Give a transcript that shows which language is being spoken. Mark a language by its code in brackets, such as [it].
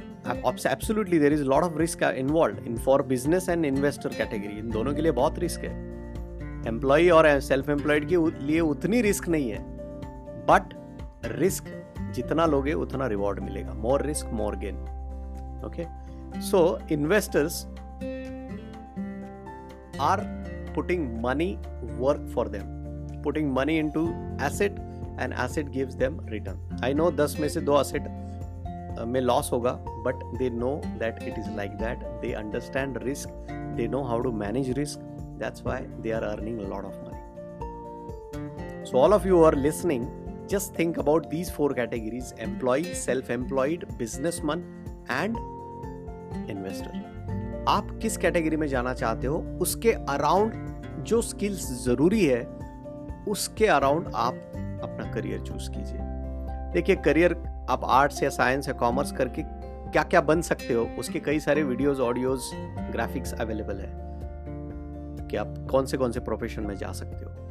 [en] absolutely there is lot of risk involved in for business and investor category, [hi] इन दोनों के लिए बहुत risk है। एम्प्लॉई और सेल्फ एम्प्लॉयड के लिए उतनी रिस्क नहीं है, बट रिस्क जितना लोगे उतना रिवॉर्ड मिलेगा, [en] More risk more gain. Okay, so investors are putting money work for them, putting money into asset and asset gives them return. I know [hi] 10 में से 2 asset में loss होगा, [en] but they know that it is like that, they understand risk, they know how to manage risk, that's why they are earning a lot of money. So all of you who are listening, just think about these 4 categories: employee, self-employed, businessman and investor. [hi] आप किस category में जाना चाहते हो उसके around जो skills जरूरी है उसके अराउंड आप अपना करियर चूज कीजिए। देखिए करियर आप आर्ट्स या साइंस या कॉमर्स करके क्या क्या बन सकते हो उसके कई सारे वीडियोज ऑडियोज ग्राफिक्स अवेलेबल है कि आप कौन से प्रोफेशन में जा सकते हो।